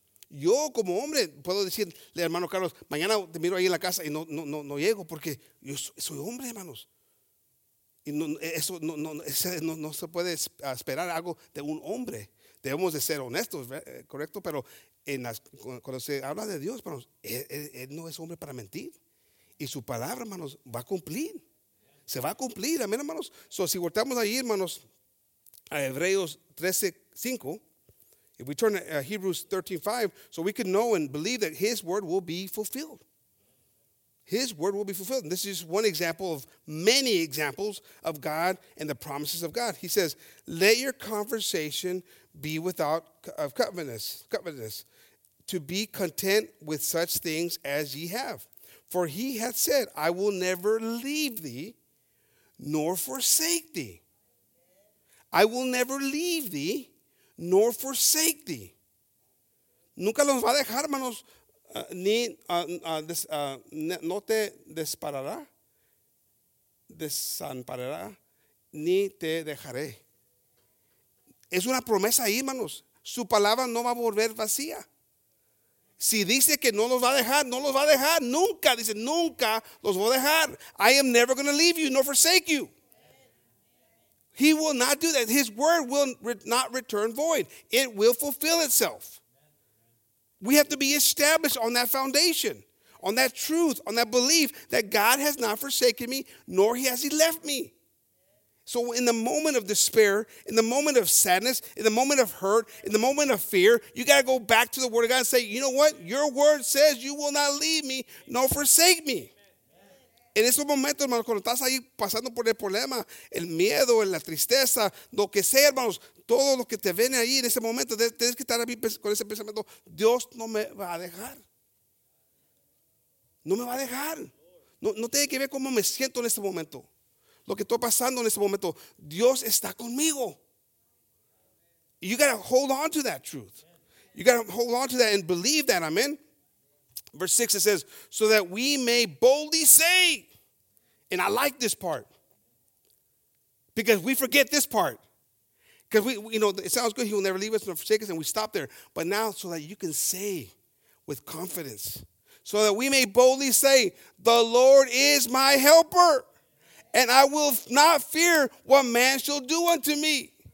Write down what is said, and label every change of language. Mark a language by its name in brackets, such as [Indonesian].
[Spanish] Yo como hombre puedo decirle, hermano Carlos, mañana te miro ahí en la casa y no llego porque yo soy hombre, hermanos. Y eso no se puede esperar algo de un hombre. Debemos de ser honestos, correcto, pero cuando se habla de Dios, hermanos, él no es hombre para mentir. Y su palabra, hermanos, va a cumplir. Se va a cumplir, amén, hermanos. [English] So, [Spanish] si voltamos ahí, hermanos, a Hebreos 13:5, [English] if we turn to Hebrews 13:5, so we can know and believe that his word will be fulfilled. His word will be fulfilled. And this is one example of many examples of God and the promises of God. He says, let your conversation be without of covetousness, to be content with such things as ye have. For he hath said, I will never leave thee, nor forsake thee. I will never leave thee, nor forsake thee. [Spanish] Nunca los va a dejar, hermanos, ni no te desparará, desamparará, ni te dejaré. Es una promesa ahí, hermanos. Su palabra no va a volver vacía. Si dice que no los va a dejar, no los va a dejar. Nunca, dice, nunca los voy a dejar. [English] I am never going to leave you nor forsake you. He will not do that. His word will not return void. It will fulfill itself. We have to be established on that foundation, on that truth, on that belief that God has not forsaken me, nor has he left me. So in the moment of despair, in the moment of sadness, in the moment of hurt, in the moment of fear, you got to go back to the word of God and say, you know what? Your word says you will not leave me nor forsake me. [Spanish] En esos momentos, hermanos, cuando estás ahí pasando por el problema, el miedo, la tristeza, lo que sea, hermanos, todo lo que te viene ahí en ese momento, tienes que estar ahí con ese pensamiento, Dios no me va a dejar. No me va a dejar. No tiene que ver cómo me siento en este momento. Lo que estoy pasando en este momento, Dios está conmigo. [English] You got to hold on to that truth. You got to hold on to that and believe that, amen. Verse 6, it says, so that we may boldly say, and I like this part, because we forget this part. Because we, you know, it sounds good, he will never leave us nor forsake us, and we stop there. But now, so that you can say with confidence, so that we may boldly say, the Lord is my helper, and I will not fear what man shall do unto me.